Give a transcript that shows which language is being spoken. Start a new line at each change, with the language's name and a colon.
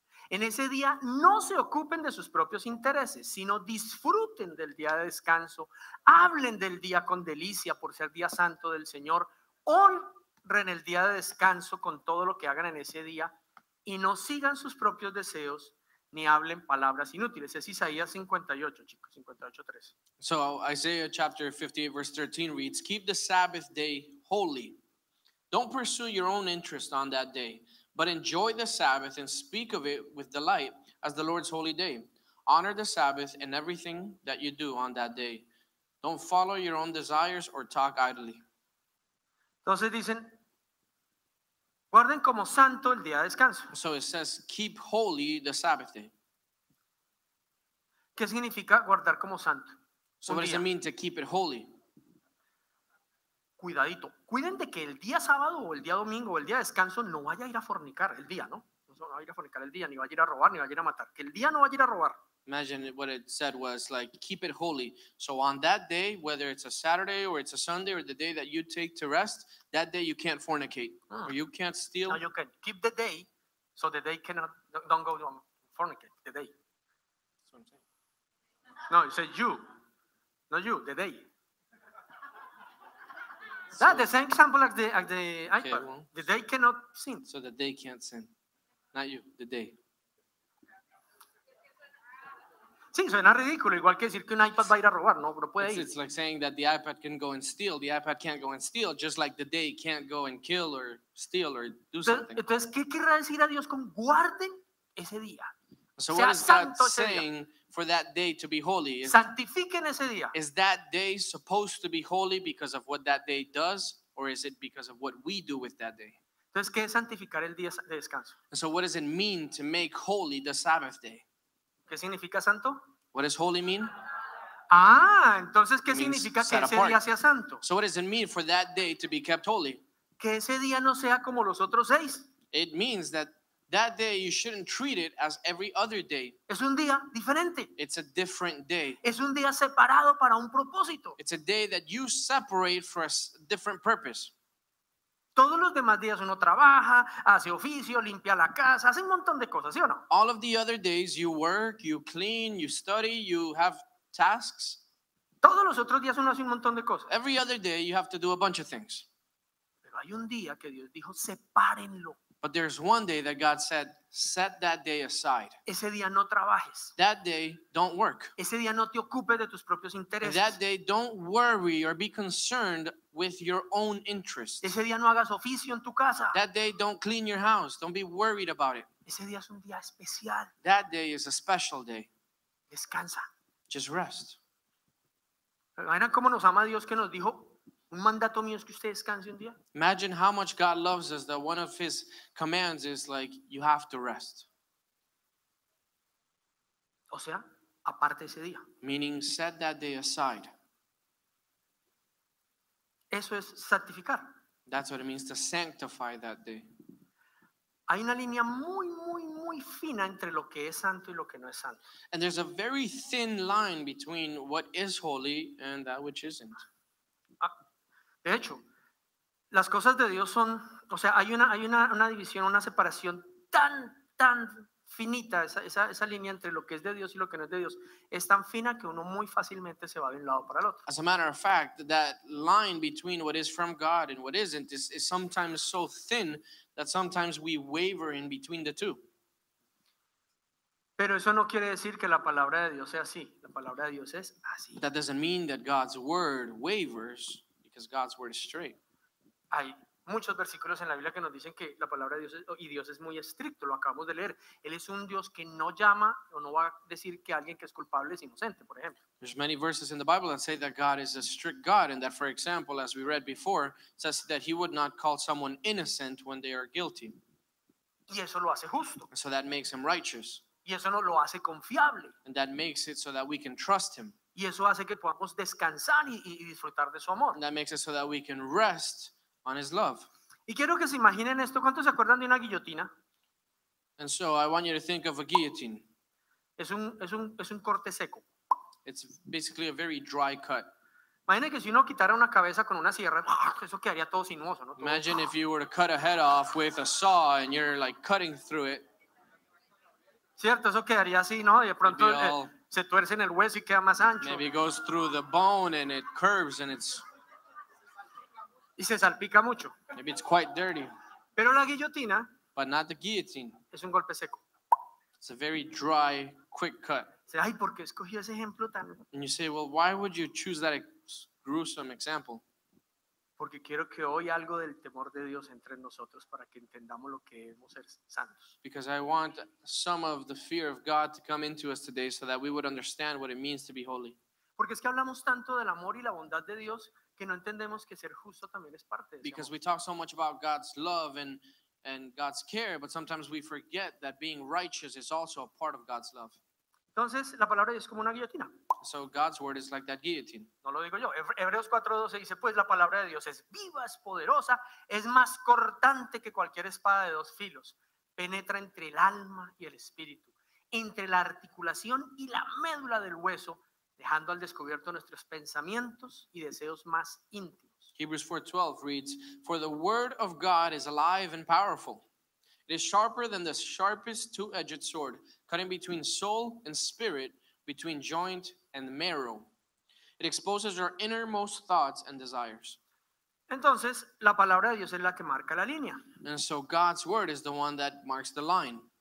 Spanish: En ese día no se ocupen de sus propios intereses, sino disfruten del día de descanso. Hablen del día con delicia por ser día santo del Señor. Honren el día de descanso con todo lo que hagan en ese día y no sigan sus propios deseos ni hablen palabras inútiles. Es Isaías 58, chicos, 58:13.
English: So Isaiah chapter 58 verse 13 reads, keep the Sabbath day holy. Don't pursue your own interest on that day. But enjoy the Sabbath and speak of it with delight as the Lord's holy day. Honor the Sabbath and everything that you do on that day. Don't follow your own desires or talk idly.
Spanish: Entonces dicen, guarden como santo el día de descanso.
English: So it says, keep holy the Sabbath day.
Spanish: ¿Qué significa guardar como santo?
English: So what does it mean to keep it holy?
Spanish: Cuidadito. Cuiden de que el día sábado o el día domingo o el día de descanso no vaya a ir a fornicar el día, ¿no? No va a ir a fornicar el día, ni vaya a ir a robar, ni vaya a ir a matar. Que el día no vaya a ir a robar.
English: Imagine what it said was like, keep it holy. So on that day, whether it's a Saturday or it's a Sunday or the day that you take to rest, that day you can't fornicate. Or you can't steal. No, you can keep the day so the day cannot, don't go fornicate, the day. That's what I'm saying. No, it said you. Not you, the day. So, that the same example as the iPad. Okay, well, the day cannot sin. So the day can't sin. Not you, the day.
Spanish: Sí, suena ridículo. Igual que decir que un iPad va a ir a robar. No, no puede ir.
English: It's like saying that the iPad can go and steal. The iPad can't go and steal. Just like the day can't go and kill or steal or do something.
Spanish: Entonces, ¿qué querrá decir a Dios con guarden ese día?
English: So what is God saying for that day to be holy?
Spanish: Santifiquen ese día.
English: Is that day supposed to be holy because of what that day does? Or is it because of what we do with that day?
Spanish: Entonces, ¿qué es santificar el día de descanso?
English: And so what does it mean to make holy the Sabbath day?
Spanish: ¿Qué significa santo?
English: What does holy mean?
Spanish: Ah, entonces, ¿qué significa que ese día sea santo?
English: So what does it mean for that day to be kept holy?
Spanish: Que ese día no sea como los otros seis.
English: It means that day you shouldn't treat it as every other day.
Spanish: Es un día diferente.
English: It's a different day.
Spanish: Es un día separado para un propósito.
English: It's a day that you separate for a different purpose.
Spanish: Todos los demás días uno trabaja, hace oficio, limpia la casa, hace un montón de cosas, ¿sí o no?
English: All of the other days you work, you clean, you study, you have tasks.
Spanish: Todos los otros días uno hace un montón de cosas.
English: Every other day you have to do a bunch of things.
Spanish: Pero hay un día que Dios dijo, sepárenlo.
English: But there's one day that God said, set that day aside.
Spanish: Ese día no trabajes.
English: That day, don't work.
Spanish: Ese día no te ocupes de tus propios intereses.
English: That day, don't worry or be concerned with your own interests.
Spanish: Ese día no hagas oficio en tu casa.
English: That day, don't clean your house. Don't be worried about it.
Spanish: Ese día es un día especial.
English: That day is a special day.
Spanish: Descansa.
English: Just rest.
Spanish: ¿Verdad cómo nos ama Dios que nos dijo? Un mandato mío es que usted descanse un día.
English: Imagine how much God loves us that one of his commands is like, you have to rest.
Spanish: O sea, aparte ese día.
English: Meaning, set that day aside.
Spanish: Eso es santificar.
English: That's what it means to sanctify that day.
Spanish: Hay una línea muy, muy, muy fina entre lo que es santo y lo que no es santo.
English: And there's a very thin line between what is holy and that which isn't.
Spanish: De hecho, las cosas de Dios son, o sea, hay una división, una separación tan finita, esa línea entre lo que es de Dios y lo que no es de Dios, es tan fina que uno muy fácilmente se va de un lado para el otro.
English: As a matter of fact, that line between what is from God and what isn't is sometimes so thin that sometimes we waver in between the two.
Spanish: Pero eso no quiere decir que la palabra de Dios sea así. La palabra de Dios es así.
English: That doesn't mean that God's word wavers. Because God's word is straight.
Spanish: Hay muchos versículos en la Biblia que nos dicen que la palabra de Dios es, y Dios es muy estricto, lo acabamos de leer. Él es un Dios que no llama o no va a decir que alguien que es culpable es inocente, por ejemplo.
English: There's many verses in the Bible that say that God is a strict God and that, for example, as we read before, says that he would not call someone innocent when they are guilty.
Spanish: Y eso lo hace justo.
English: So that makes him righteous.
Spanish: Y eso no lo hace confiable.
English: And that makes it so that we can trust him.
Spanish: Y eso hace que podamos descansar y disfrutar de su amor.
English: And that makes it so that we can rest on his love.
Spanish: Y quiero que se imaginen esto. ¿Cuántos se acuerdan de una guillotina?
English: And so I want you to think of a guillotine.
Spanish: Es un corte seco.
English: It's basically a very dry cut.
Spanish: Imagine que si uno quitara una cabeza con una sierra, eso quedaría todo sinuoso, ¿no?
English: Imagine if you were to cut a head off with a saw and you're like cutting through it.
Spanish: Cierto, eso quedaría así, ¿no? Y de pronto se tuerce en el hueso y queda más ancho.
English: Maybe it goes through the bone and it curves and it's...
Spanish: Y se salpica mucho.
English: Maybe it's quite dirty.
Spanish: Pero la guillotina...
English: But not the guillotine.
Spanish: Es un golpe seco.
English: It's a very dry, quick cut.
Spanish: Ay, ¿por qué escogí ese ejemplo tan...?
English: And you say, well, why would you choose that gruesome example?
Spanish: Porque quiero que hoy algo del temor de Dios entre en nosotros para que entendamos lo que debemos ser santos.
English: Because I want some of the fear of God to come into us today so that we would understand what it means to be holy.
Spanish: Porque es que hablamos tanto del amor y la bondad de Dios que no entendemos que ser justo también es parte de eso.
English: Because we talk so much about God's love and God's care, but sometimes we forget that being righteous is also a part of God's love.
Spanish: Entonces, la palabra de Dios es como una guillotina.
English: So God's word is like that guillotine.
Spanish: No lo digo yo. Hebreos 4:12 dice, pues la palabra de Dios es viva, es poderosa, es más cortante que cualquier espada de dos filos. Penetra entre el alma y el espíritu, entre la articulación y la médula del hueso, dejando al descubierto nuestros pensamientos y deseos más íntimos.
English: Hebrews 4:12 reads, for the word of God is alive and powerful. It is sharper than the sharpest two-edged sword, cutting between soul and spirit, between joint and marrow. It exposes our innermost thoughts and desires.
Spanish: Entonces, la palabra de Dios es la que marca la línea.
English: And so God's word is the one that marks the line.